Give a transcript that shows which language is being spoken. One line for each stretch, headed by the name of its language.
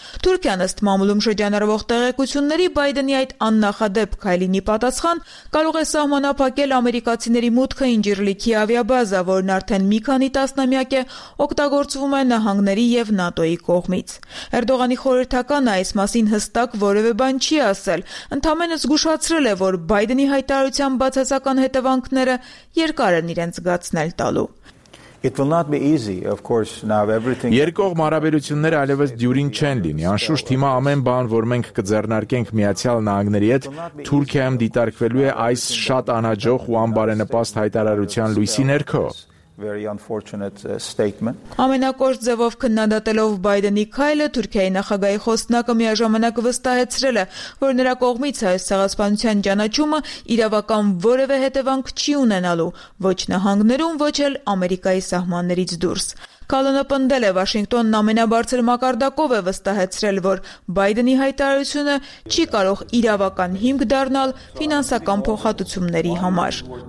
Armenian: Թուրքիան ըստ մամուլում շրջանառվող տեղեկությունների Բայդենի այդ աննախադեպ քայլինի պատասխան կարող է սահմանափակել ամերիկացիների մուտքը Ինջիրլիքի ավիաբազա, որն արդեն մի քանի տասնամյակ է օգտագործվում է Նահանգների և ՆԱՏՕ-ի կողմից։ Էրդողանի Հերթական այս մասին հստակ որևէ բան չի ասել, ընդամենը զգուշացրել է, որ Բայդենի հայտարարության բացասական հետևանքները երկար են իրենց զգացնել տալու։
English: It will not be easy, of course, now everything.
Armenian: Երկողմ հարաբերությունները այլևս դյուրին չեն լինի։ Անշուշտ հիմա ամեն բան, որ մենք կձեռնարկենք Միացյալ Նահանգների հետ, Թուրքիայում դիտարկվելու է այս շատ անհաջող ու անբարենպաստ հայտարարության լույսի ներքո։
English: Very unfortunate statement.
Armenian: Ամենակոշտ ձևով քննադատելով Բայդենի քայլը, Թուրքիայի նախագահի խոսնակը միաժամանակ վստահեցրել է, որ նրա կողմից այս ցեղասպանության ճանաչումը իրավական որևէ հետևանք չի ունենալու, ոչ Նահանգներում, ոչ էլ Ամերիկայի սահմաններից դուրս։ Կալոնը պնդել է, Վաշինգտոնն ամենաբարձր մակարդակով է վստահեցրել, որ Բայդենի հայտարարությունը չի կարող իրավական հիմք դառնալ ֆինանսական փոխհատուցումների համար։